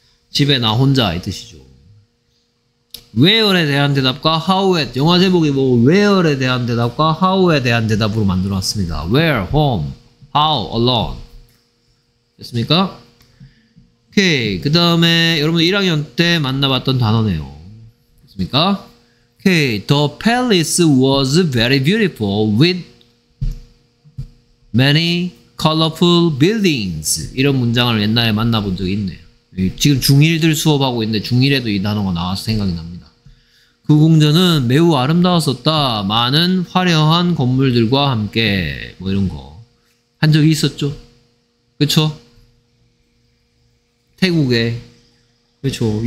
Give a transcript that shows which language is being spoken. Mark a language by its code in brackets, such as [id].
[ko] 집에 나 혼자 이 뜻이죠. Where에 대한 대답과 How에 영화 제목이 뭐 Where에 대한 대답과 How에 대한 대답으로 만들어왔습니다. [en] Where, Home, How, Alone [ko] 됐습니까? 오케이. 그 다음에 여러분 1학년 때 만나봤던 단어네요. 됐습니까? [en] Okay, the palace was very beautiful with many colorful buildings. [ko] 이런 문장을 옛날에 만나본 적이 있네요. 지금 중1들 수업하고 있는데 중1에도 이 단어가 나와서 생각이 납니다. 그 궁전은 매우 아름다웠었다. 많은 화려한 건물들과 함께 뭐 이런 거 한 적이 있었죠. 그쵸? 태국에 그쵸?